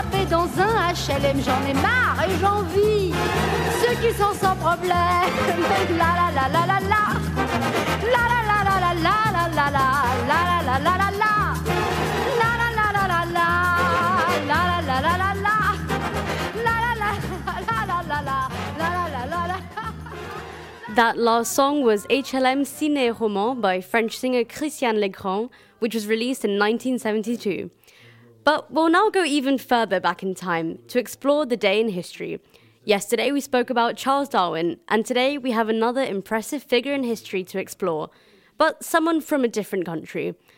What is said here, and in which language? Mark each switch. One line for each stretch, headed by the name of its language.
French: Dans un HLM, j'en ai marre et j'en vis. Ceux qui sont sans problème. La la la la la la. La la la la la la la la la la la la la la la la la la la la la la la la la la la la la la la la la la.
English: That last song was HLM Ciné Roman by French singer Christiane Legrand, which was released in 1972. But we'll now go even further back in time to explore the day in history. Yesterday we spoke about Charles Darwin, and today we have another impressive figure in history to explore, but someone from a different country.